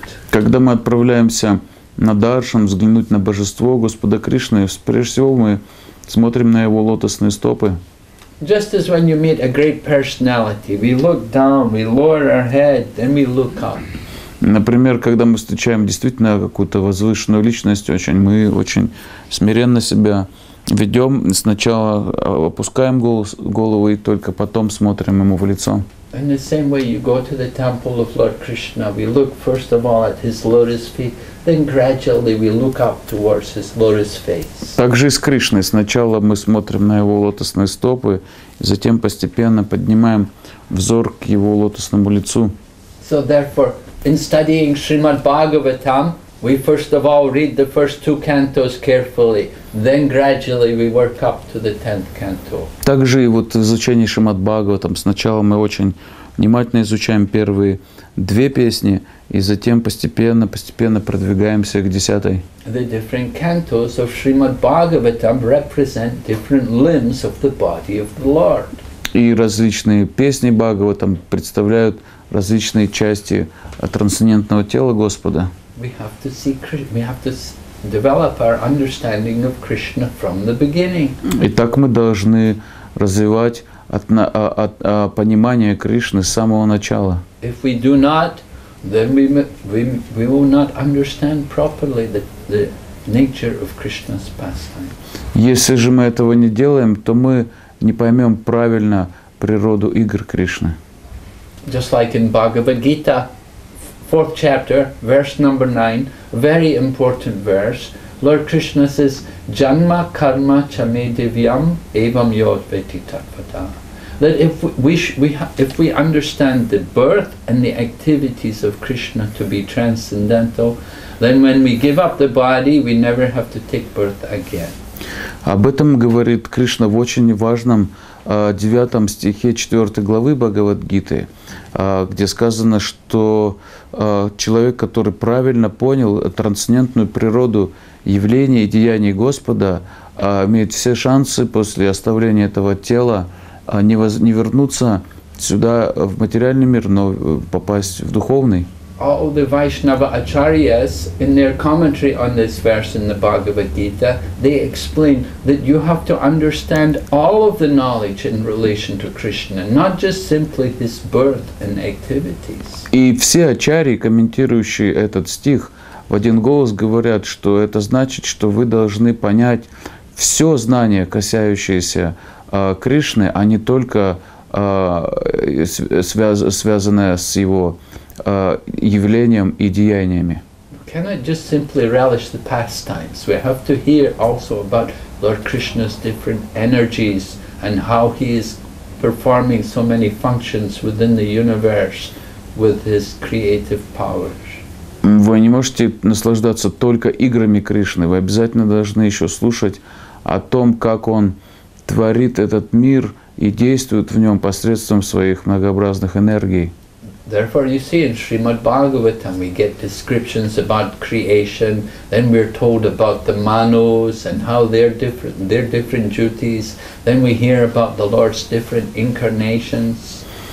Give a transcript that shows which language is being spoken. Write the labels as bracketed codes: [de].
[ru] Когда мы отправляемся на даршан, взглянуть на божество Господа Кришны, прежде всего мы смотрим на его лотосные стопы. [en] Just as when you meet a great personality, we look down, we lower our head, then we look up. [ru] Например, когда мы встречаем действительно какую-то возвышенную личность, очень мы очень смиренно себя ведем, сначала опускаем голову и только потом смотрим ему в лицо. [en] In the same way, you go to the temple of Lord Krishna. We look first of all at his lotus feet, then gradually we look up towards his lotus face. [ru] Также и с Кришной. Сначала мы смотрим на его лотосные стопы, затем постепенно поднимаем взор к его лотосному лицу. [en] So therefore, in studying Srimad Bhagavatam, we first of all read the first two cantos carefully, then gradually we work up to the tenth canto. [ru] Также и вот изучение Шримад Бхагаватам. Сначала мы очень внимательно изучаем первые две песни, и затем постепенно продвигаемся к десятой. [en] The different cantos of Srimad Bhagavatam represent different limbs of the body of the Lord. [ru] И различные песни Бхагаватам представляют различные части трансцендентного тела Господа. [en] We have to see Krishna. We have to develop our understanding of Krishna from the beginning. [ru] Итак, мы должны развивать понимание Кришны с самого начала. [en] If we do not, then we will not understand properly the nature of Krishna's pastime. [ru] Если же мы этого не делаем, то мы не поймем правильно природу игр Кришны. [en] Just like in Bhagavad Gita. Fourth chapter, verse number 9, very important verse. Lord Krishna says, [sa] "Janma karma chame divyam evam yo vetitapada." [en] That if we understand the birth and the activities of Krishna to be transcendental, then when we give up the body, we never have to take birth again. [ru] Об этом говорит Кришна в очень важном 9 стихе 4 главы Бхагавад-гиты, где сказано, что человек, который правильно понял трансцендентную природу явления и деяний Господа, имеет все шансы после оставления этого тела не вернуться сюда, в материальный мир, но попасть в духовный. [en] All the Vaishnava Acharyas, in their commentary on this verse in the Bhagavad Gita, they explain that you have to understand all of the knowledge in relation to Krishna, not just simply his birth and activities. [ru] И все ачарьи, комментирующие этот стих, в один голос говорят, что это значит, что вы должны понять все знание, касающееся Кришны, а не только связанное с его явлением и деяниями. [en] We cannot just simply relish the pastimes. We have to hear also about Lord Krishna's different energies and how he is performing so many functions within the universe with his creative powers. [ru] Вы не можете наслаждаться только играми Кришны. Вы обязательно должны еще слушать о том, как он творит этот мир и действует в нем посредством своих многообразных энергий. [en] Therefore, you see, in Srimad Bhagavatam, we get descriptions about creation. Then we're told about the manos and how their different duties. Then we hear about the Lord's different incarnations.